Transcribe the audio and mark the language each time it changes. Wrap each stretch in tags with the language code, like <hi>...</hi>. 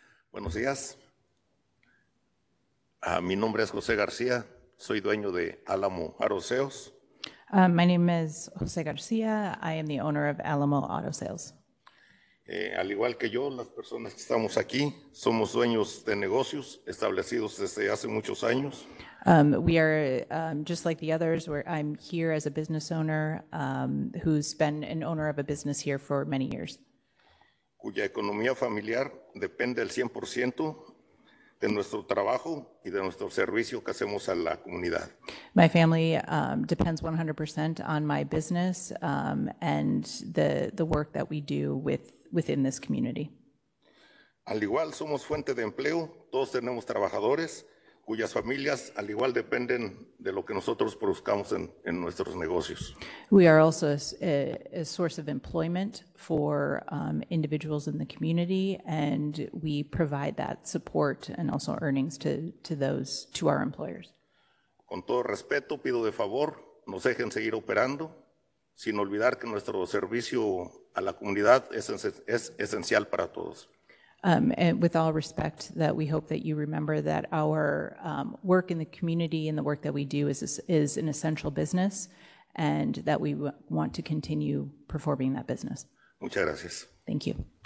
<es>Buenos dias. Mi nombre es José García. Soy dueño de Alamo Auto Sales.</es> <en>My name is José García. I am the owner of Alamo Auto Sales.</en> <es>Al igual que yo, las personas que estamos aquí somos dueños de negocios establecidos desde hace muchos años.</es> <en>We are just like the others. I'm here as a business owner who's been an owner of a business here for many years.</en> <es>cuya economía familiar depende al 100% de nuestro trabajo y de nuestro servicio que hacemos a la comunidad.</es> <en>My family depends 100% on my business and the work that we do within this community.</en> <es>Al igual, somos fuente de empleo, todos tenemos trabajadores cuyas familias al igual dependen de lo que nosotros produzcamos en nuestros negocios.</es> <en>We are also a source of employment for individuals in the community, and we provide that support and also earnings to our employers.</en> <es>Con todo respeto, pido de favor, nos dejen seguir operando, sin olvidar que nuestro servicio a la comunidad es esencial para todos.</es> <en>And with all respect, that we hope that you remember that our work in the community and the work that we do is an essential business, and that we want to continue performing that business.</en> <es>Muchas gracias.</es> <en>Thank you.</en>